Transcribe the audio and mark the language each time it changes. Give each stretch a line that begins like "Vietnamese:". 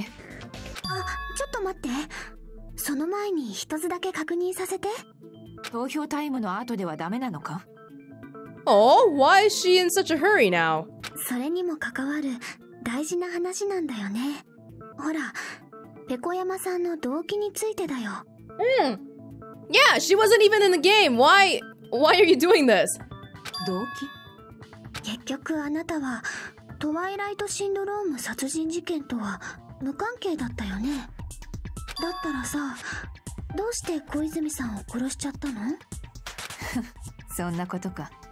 Japanese: あ、ちょっと待って、その前に一つだけ確認させて。投票タイムの後ではダメなのか？
English: Oh, why is she in such a hurry now?
Japanese: それにも関わる大事な話なんだよね。ほら、ペコ山さんの動機についてだよ。
English: うん、 Yeah, she wasn't even in the game. Why are you doing this?
Japanese: 動機？結局あなたはトワイライトシンドローム殺人事件とは無関係だったよね。だったらさ、どうして小泉さんを殺しちゃったの？そんなことか。